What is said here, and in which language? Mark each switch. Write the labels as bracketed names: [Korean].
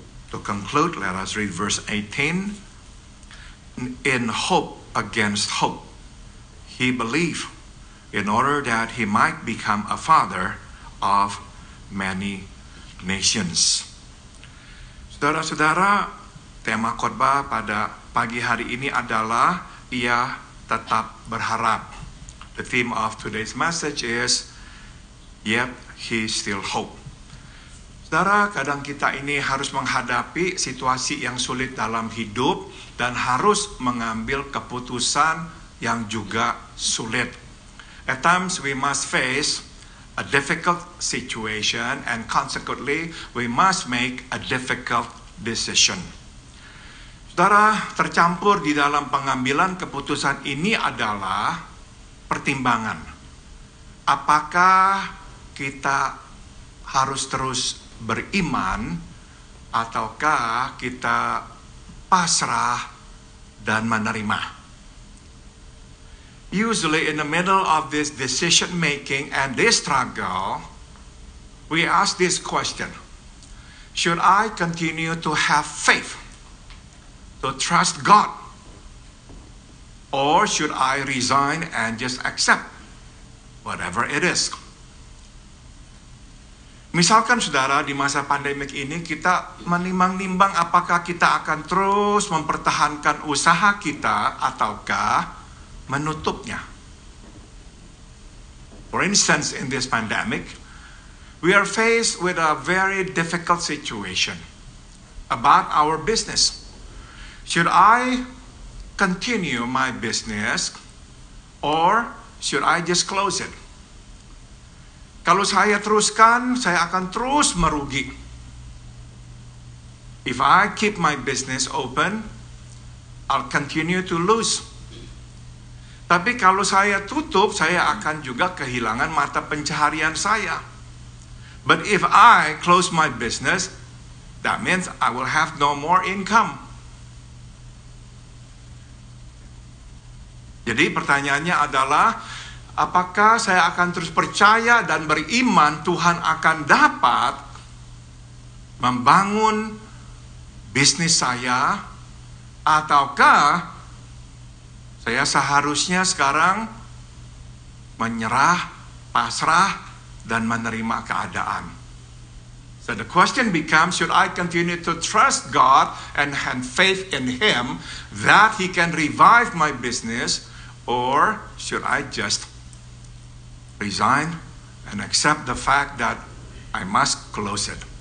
[English] To conclude, let us read verse 18. In hope against hope, he believed, in order that he might become a father of many nations. [Indonesian] Saudara-saudara, tema khotbah pada pagi hari ini adalah ia tetap berharap. [English] The theme of today's message is yet he still hope. [Indonesian] Saudara, kadang kita ini harus menghadapi situasi yang sulit dalam hidup dan harus mengambil keputusan yang juga sulit. [English] At times we must face a difficult situation and consequently we must make a difficult decision. [Indonesian] Saudara, tercampur di dalam pengambilan keputusan ini adalah pertimbangan. Apakah kita harus terus beriman ataukah kita pasrah dan menerima? [English] Usually in the middle of this decision making and this struggle, we ask this question: should I continue to have faith, to trust God, or should I resign and just accept whatever it is? [Indonesian] Misalkan saudara, di masa pandemik ini kita menimbang-nimbang apakah kita akan terus mempertahankan usaha kita ataukah menutupnya. [English] For instance, in this pandemic, we are faced with a very difficult situation about our business. Should I continue my business or should I just close it? [Indonesian] Kalau saya teruskan, saya akan terus merugi. [English] If I keep my business open, I'll continue to lose. [Indonesian] Tapi kalau saya tutup, saya akan juga kehilangan mata pencaharian saya. [English] But if I close my business, that means I will have no more income. [Indonesian] Jadi pertanyaannya adalah, apakah saya akan terus percaya dan beriman Tuhan akan dapat membangun bisnis saya, ataukah saya seharusnya sekarang menyerah, pasrah, dan menerima keadaan. [English] So the question becomes, should I continue to trust God and have faith in Him that He can revive my business, or should I just resign and accept the fact that I must close it?